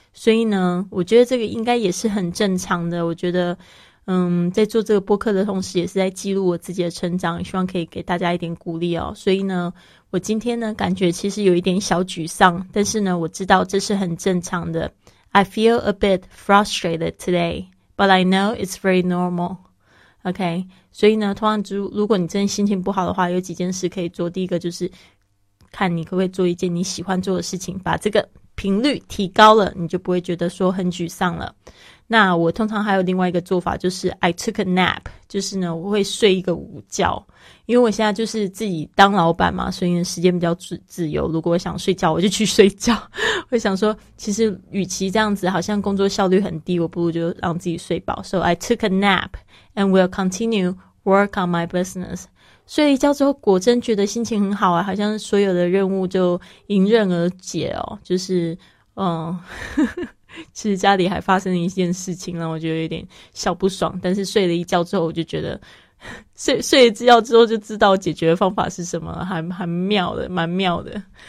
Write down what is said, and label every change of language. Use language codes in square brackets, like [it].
[zh] 所以呢，我觉得这个应该也是很正常的。我觉得在做这个播客的同时也是在记录我自己的成长，希望可以给大家一点鼓励哦。所以呢，我今天呢感觉其实有一点小沮丧，但是呢我知道这是很正常的。 [en] I feel a bit frustrated today, but I know it's very normal. [zh] OK, 所以呢通常如果你真的心情不好的话，有几件事可以做。第一个就是看你可不可以做一件你喜欢做的事情，把这个频率提高了，你就不会觉得说很沮丧了。那我通常还有另外一个做法，就是 [en] I took a nap， [zh] 就是呢我会睡一个午觉，因为我现在就是自己当老板嘛，所以时间比较自由，如果我想睡觉我就去睡觉。我想说其实与其这样子好像工作效率很低，我不如就让自己睡饱。 [en] So I took a nap and will continue work on my business。 [zh] 睡了一觉之后果真觉得心情很好啊，好像所有的任务就迎刃而解哦，就是其实家里还发生了一件事情，让我觉得有点小不爽，但是睡了一觉之后我就觉得睡了一觉之后就知道解决的方法是什么，还妙的，蛮妙的。